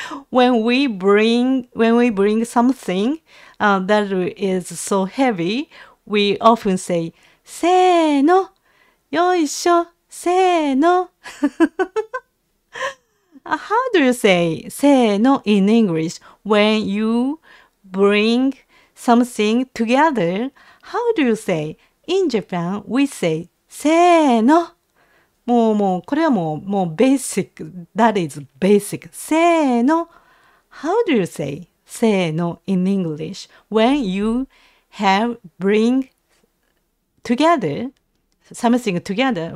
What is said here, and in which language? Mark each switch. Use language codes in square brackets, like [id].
[en] When we bring something that is so heavy, we often say, せーの。 [ja] よいしょ。せーの。 [en] How do you say せーの in English when you bring something together? How do you say? In Japan, we say せーの。 [ja] もう、これはもうベーシック。 [en] That is basic. せーの。 How do you say せーの in English when you have bring together something together?